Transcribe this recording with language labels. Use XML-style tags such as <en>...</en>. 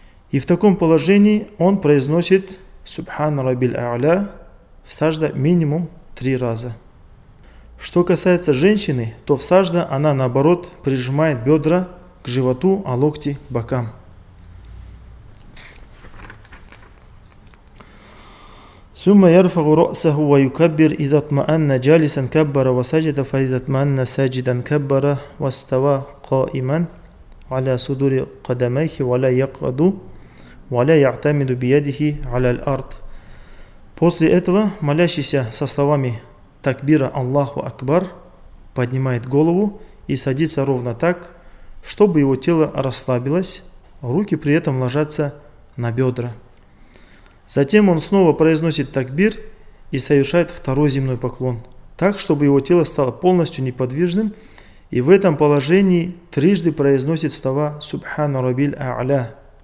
<ru>И в таком положении он произносит</ru> <ar>«Субхан Рабиль А'ля»</ar> <ru>в сажда минимум 3 раза. Что касается женщины, то в сажда она наоборот прижимает бедра к животу, а локти – бокам.</ru> <ar>ثم يرفع رأسه ويكبر إذا اطمأن جالسا كبر وسجد فإذا اطمأن ساجدا كبر واستوى قائما على صدور قدميه ولا يقعد ولا يعتمد بيده على الأرض.</ar> <ru>После этого молящийся со словами такбира Аллаху Акбар поднимает голову и садится ровно так, чтобы его тело расслабилось, руки при этом ложатся на бедра. Затем он снова произносит такбир и совершает второй земной поклон, так, чтобы его тело стало полностью неподвижным, и в этом положении трижды произносит слова</ru> <ar>«Субхана Рабиль А'ля».</ar>